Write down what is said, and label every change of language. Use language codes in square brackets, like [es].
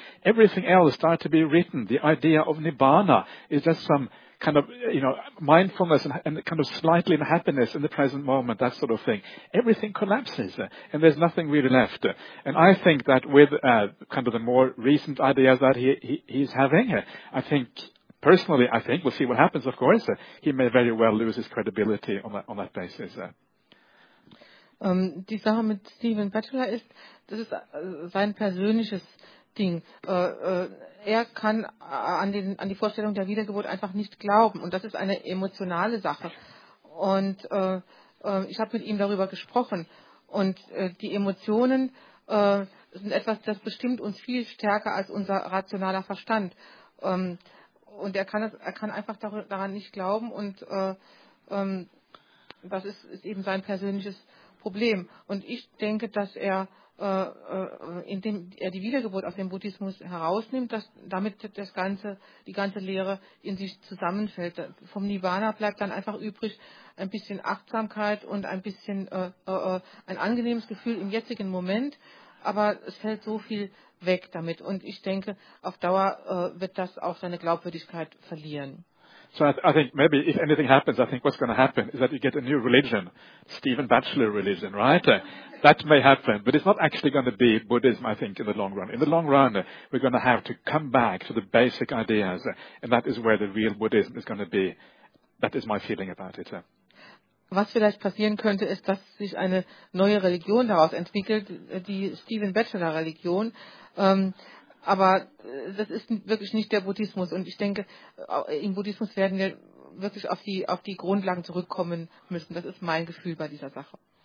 [en] Everything else starts to be written. The idea of Nibbana is just some kind of, you know, mindfulness and kind of slightly unhappiness in the present moment, that sort of thing. Everything collapses and there's nothing really left. And I think that with kind of the more recent ideas that he's having, I think, personally, we'll see what happens, of course, he may very well lose his credibility on that basis. [de] Die Sache mit Stephen Batchelor ist, das ist sein persönliches Ding. Er kann an die Vorstellung der Wiedergeburt einfach nicht glauben, und das ist eine emotionale Sache. Und ich habe mit ihm darüber gesprochen, und die Emotionen sind etwas, das bestimmt uns viel stärker als unser rationaler Verstand. Und er kann einfach daran nicht glauben, und das ist eben sein persönliches Problem. Und ich denke, dass er indem er die Wiedergeburt aus dem Buddhismus herausnimmt, dass damit die ganze Lehre in sich zusammenfällt. Vom Nirvana bleibt dann einfach übrig ein bisschen Achtsamkeit und ein bisschen ein angenehmes Gefühl im jetzigen Moment, aber es fällt so viel weg damit. Und ich denke, auf Dauer wird das auch seine Glaubwürdigkeit verlieren. [en] So I think maybe if anything happens, I think what's going to happen is that you get a new religion, Stephen Batchelor religion, right? That may happen, but it's not actually going to be Buddhism, I think, in the long run. In the long run, we're going to have to come back to the basic ideas, and that is where the real Buddhism is going to be. That is my feeling about it. [de] Was vielleicht passieren könnte, ist, dass sich eine neue Religion daraus entwickelt, die Stephen Batchelor Religion. Aber das ist wirklich nicht der Buddhismus, und ich denke, im Buddhismus werden wir wirklich auf die Grundlagen zurückkommen müssen. Das ist mein Gefühl bei dieser Sache.